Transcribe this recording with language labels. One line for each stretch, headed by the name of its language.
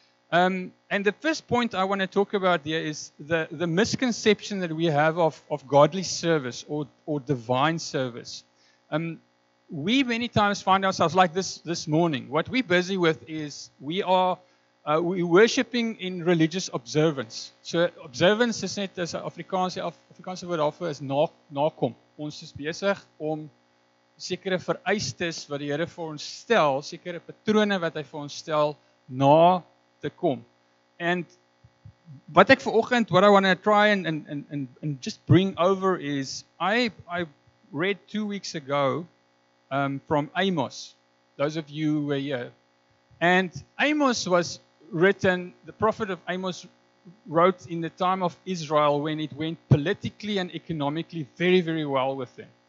English: And the first point I want to talk about there is the misconception that we have of godly service or divine service. We many times find ourselves like this morning. What we're busy with is we're worshiping in religious observance.
Afrikaans: So observance is net as Afrikaanse woord daarvoor is nakom. Ons is besig om sekere vereistes wat die Here vir ons stel, sekere patrone wat hy vir ons stel, na te kom.
English: And
Afrikaans: wat ek vanoggend,
English: what I want to try and just bring over is, I read 2 weeks ago from Amos, those of you who were here. And Amos was written, the prophet of Amos wrote in the time of Israel when it went politically and economically very, very well with them.